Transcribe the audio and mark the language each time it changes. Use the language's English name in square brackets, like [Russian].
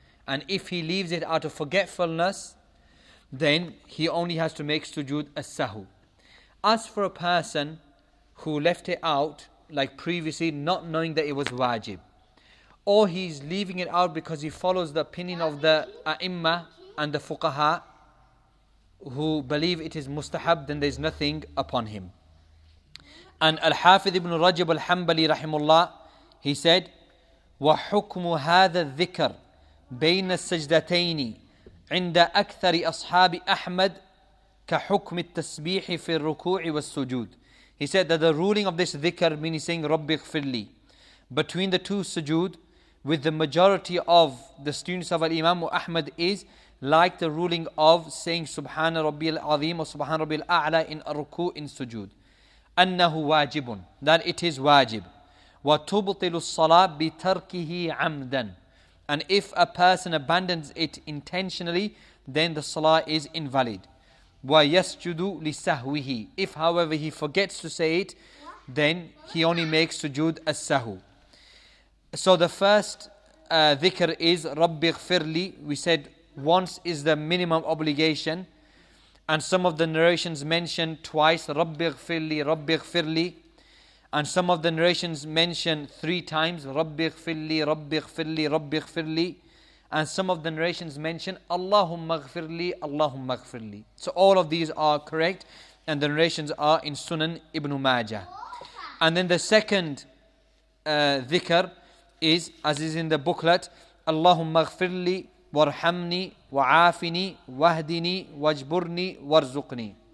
[English] And if he leaves it out of forgetfulness, then he only has to make sujood as-sahu. As for a person who left it out like previously, not knowing that it was wajib. Or he's leaving it out because he follows the opinion of the a'imma and the fuqaha who believe it is mustahab, then there's nothing upon him. And Al-Hafidh ibn Rajab al-Hanbali rahimullah, he said, [Arabic] وَحُكْمُ هَذَا الذِّكَرْ بَيْنَ السَّجْدَتَيْنِ عِنْدَ أَكْثَرِ أَصْحَابِ أَحْمَدْ كَحُكْمِ التَّسْبِيحِ فِي الرُّكُوعِ وَالسُّجُودِ. [English] He said that the ruling of this dhikr, meaning saying [Arabic] رَبِّ اغْفِرْ لِي, [English] between the two sujood, with the majority of the students of Al-Imam Ahmad, is like the ruling of saying Subhana Rabbi al-Azim or Subhana Rabbi al-A'la in ruku' in sujood. [Arabic] أَنَّهُ وَاجِبٌ, [English] that it is wajib. [Arabic] وَتُبْطِلُ الصَّلَاةِ بِتَرْكِهِ عَمْدًا, [English] and if a person abandons it intentionally, then the salah is invalid. [Arabic] وَيَسْجُدُ لِسَهْوِهِ, [English] if however he forgets to say it, then he only makes sujood as-sahu. So the first dhikr is رَبِّ اغْفِرْ لِي, we said once is the minimum obligation, and some of the narrations mention twice, [Arabic] رَبِّ اغْفِرْ لِي, رَبِّ اغْفِرْ لِي. [English] And some of the narrations mention three times, [Arabic] رَبِّ اغْفِرْ لِي, رَبِّ اغْفِرْ لِي, رَبِّ اغْفِرْ لِي. [English] And some of the narrations mention, [Arabic] اللَّهُمَّ اغْفِرْ لِي, اللَّهُمَّ اغْفِرْ لِي. [English] So all of these are correct, and the narrations are in Sunan Ibn Majah. And then the second dhikr is, as is in the booklet, [Arabic] اللَّهُمَّ اغْفِرْ لِي, وَارْحَمْنِي, وَعَافِنِي, وَهْدِنِي, وَاجْبُرْنِي, وَارْزُقْنِي.